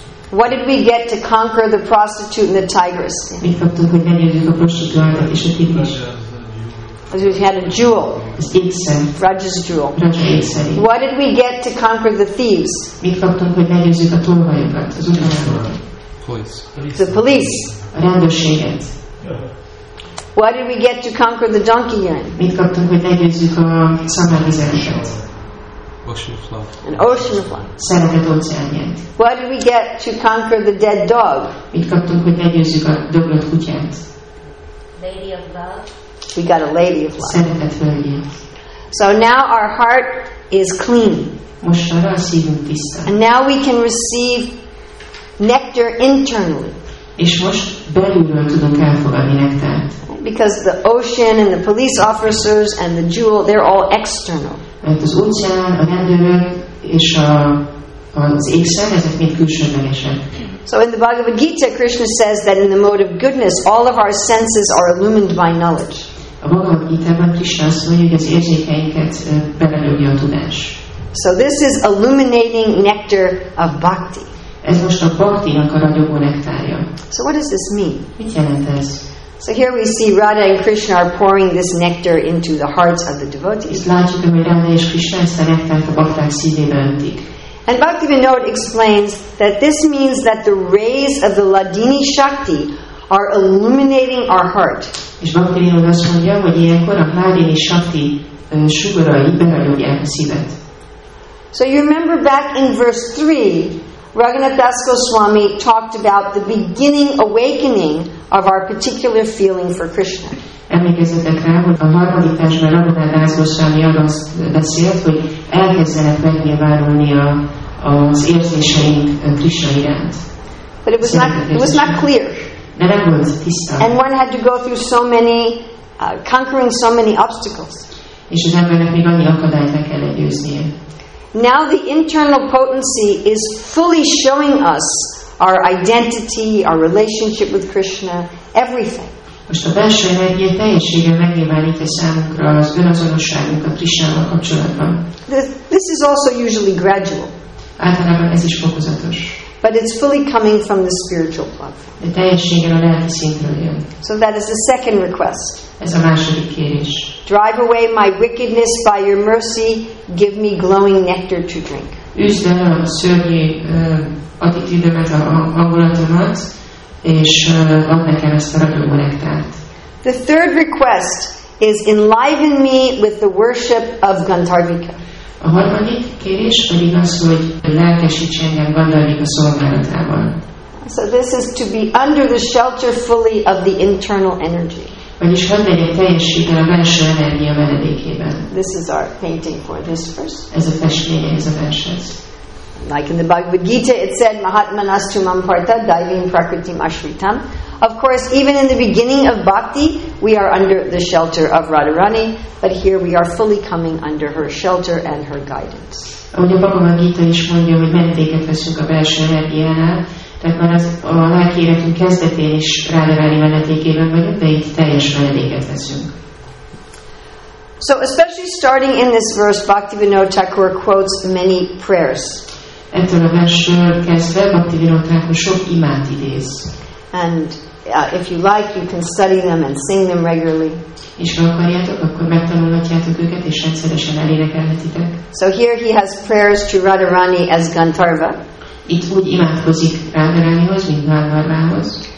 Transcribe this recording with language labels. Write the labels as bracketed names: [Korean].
[English] What did we get to conquer the prostitute and the tigress? We had a jewel. Raja's jewel. What did we get to conquer the thieves? The police. Why did we get to conquer the donkey urine? [Hungarian] Mit kaptunk, hogy legyőzzük a szamarizánsat? [English] An ocean of love. [Hungarian] Szeretet óceánját. [English] Why did we get to conquer the dead dog? [Hungarian] Mit kaptunk, hogy legyőzzük a döglött kutyát? [English] Lady of love. We got a lady of love. [Hungarian] Szeretet hölgyét. [English] So now our heart is clean. [Hungarian] Most arra a szívünk tiszta. [English] And now we can receive nectar internally. [Hungarian] És most belülről tudunk elfogadni nektárt. [English] Because the ocean and the police officers and the jewel, they're all external. [Hungarian] Mert az óceán, a rendőrök és az ékszer, ezek mind külsőlegesek. [English] So in the Bhagavad Gita, Krishna says that in the mode of goodness, all of our senses are illumined by knowledge. [Hungarian] A Bhagavad Gita-ban Krishna azt mondja, hogy az érzékeinket belelőgi a tudás. [English] So this is illuminating nectar of bhakti. [Hungarian] Ez most a bhakti-nak a ragyogó nektárja. [English] So what does this mean? [Hungarian] Mit jelent ez? [English] So here we see Radha and Krishna are pouring this nectar into the hearts of the devotees. [Hungarian] Látjuk, hogy Radha és Krishna ezt a nektárt a bhakták szívébe öntik. [English] And Bhaktivinoda explains that this means that the rays of the Ladini Shakti are illuminating our heart. [Hungarian] És Bhaktivinoda azt mondja, hogy ilyenkor a Ladini Shakti sugarai belerogják a szívet. [English] So you remember back in verse 3, Raghunath Das Goswami talked about the beginning awakening of our particular feeling for Krishna. [Hungarian] Emlékezzetek rá, hogy a harmadik versben Raghunath Das Goswami arról beszélt, hogy elkezdenek megnyilvánulni az érzéseink Krishna iránt. [English] But it was not clear. [Hungarian] De nem volt tiszta. [English] And one had to go through so many, conquering so many obstacles. [Hungarian] És az embernek még annyi akadályt meg kellett győznie. [English] Now the internal potency is fully showing us our identity, our relationship with Krishna, everything. [Hungarian] Most a belső energia teljesége megnyilvánítja számunkra az önazonosságunk a Krishnával kapcsolatban. [English] This is also usually gradual. [Hungarian] Általában ez is fokozatos. [English] But it's fully coming from the spiritual platform. [Hungarian] De teljesége a lelki szintről jön. [English] So that is the second request. [Hungarian] Ez a második kérés. [English] Drive away my wickedness by your mercy. Give me glowing nectar to drink. [Hungarian] Üzd el a szörnyű attitűdömet, a hangulatomat, és add nekem ezt a ragyogó nektárt. [English] The third request is enliven me with the worship of Gandharvika. [Hungarian] A harmadik kérés pedig az, hogy lelkesíts engem Gandharvika szolgálatában. [English] So this is to be under the shelter fully of the internal energy. [Hungarian] Vagyis hadd legyen teljességgel a belső energia menedékében. [English] This is our painting for this verse. [Hungarian] Ez a festmény, ez a verses. [English] Like in the Bhagavad Gita, it said, [Sanskrit] Mahatmanastu Mamparta, Daivin Prakritim Ashritam. [English] Of course, even in the beginning of bhakti, we are under the shelter of Radharani, but here we are fully coming under her shelter and her guidance. [Hungarian] Ahogy a Bhagavad Gita is mondja, hogy menedéket veszünk a belső energiánál, tehát már az a lelki életünk kezdetén is Radharani menedékében vagyunk, de itt teljes menedéket veszünk. [English] So especially starting in this verse, Bhaktivinoda Thakur quotes many prayers. [Hungarian] Ettől a versről kezdve Bhaktivinoda Thakur sok imát idéz. [English] And if you like, you can study them and sing them regularly. [Hungarian] És ha akarjátok, akkor megtanulhatjátok őket, és rendszeresen elénekelhetitek. [English] So here he has prayers to Radharani as Gandharva. [Hungarian] Itt úgy imádkozik Radharanihoz, mint Gandharvához.